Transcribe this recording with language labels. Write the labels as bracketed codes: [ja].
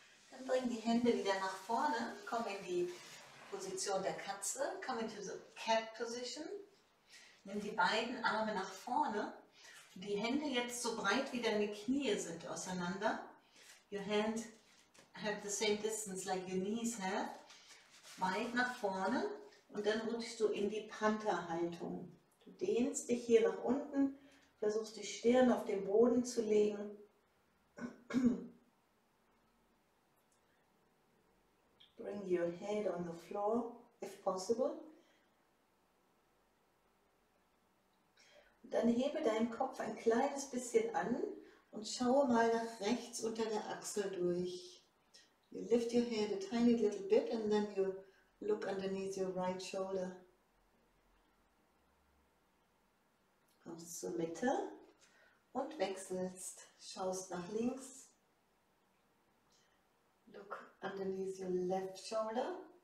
[de] Dann bring die Hände wieder nach vorne, komm in die Position der Katze, [en] come into the cat position. [de] Nimm die beiden Arme nach vorne, die Hände jetzt so breit wie deine Knie sind auseinander. [en] Your hand have the same distance like your knees have. [de] Weit nach vorne und dann rutschst du in die Pantherhaltung. Du dehnst dich hier nach unten, versuchst die Stirn auf den Boden zu legen. [en] Bring your head on the floor, if possible. [de] Und dann hebe deinen Kopf ein kleines bisschen an und schaue mal nach rechts unter der Achsel durch. [en] You lift your head a tiny little bit and then you look underneath your right shoulder. [de] Kommst zur Mitte und wechselst. Schaust nach links. [en] Look underneath your left shoulder.